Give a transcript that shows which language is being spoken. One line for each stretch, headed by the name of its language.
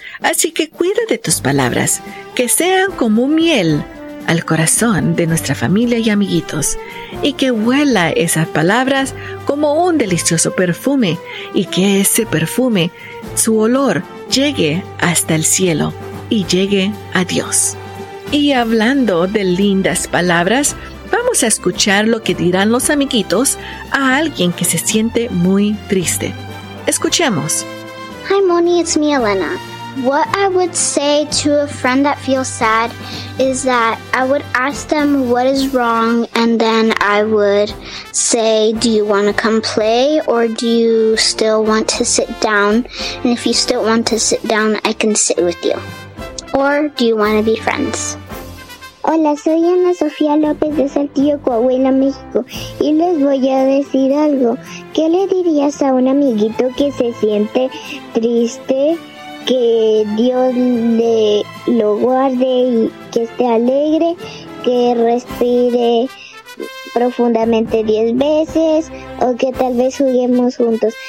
Spanish: Así que cuida de tus palabras, que sean como miel al corazón de nuestra familia y amiguitos, y que huela esas palabras como un delicioso perfume, y que ese perfume, su olor, llegue hasta el cielo y llegue a Dios. Y hablando de lindas palabras, vamos a escuchar lo que dirán los amiguitos a alguien que se siente muy triste. Escuchemos.
English: Hi, Moni, it's me, Elena. What I would say to a friend that feels sad is that I would ask them what is wrong, and then I would say, do you want to come play or do you still want to sit down? And if you still want to sit down, I can sit with you. Or do you want to be friends?
Spanish: Hola, soy Ana Sofía López de Saltillo, Coahuila, México, y les voy a decir algo. ¿Qué le dirías a un amiguito que se siente triste? Que Dios le lo guarde y que esté alegre, que respire profundamente 10 veces, o que tal vez juguemos juntos.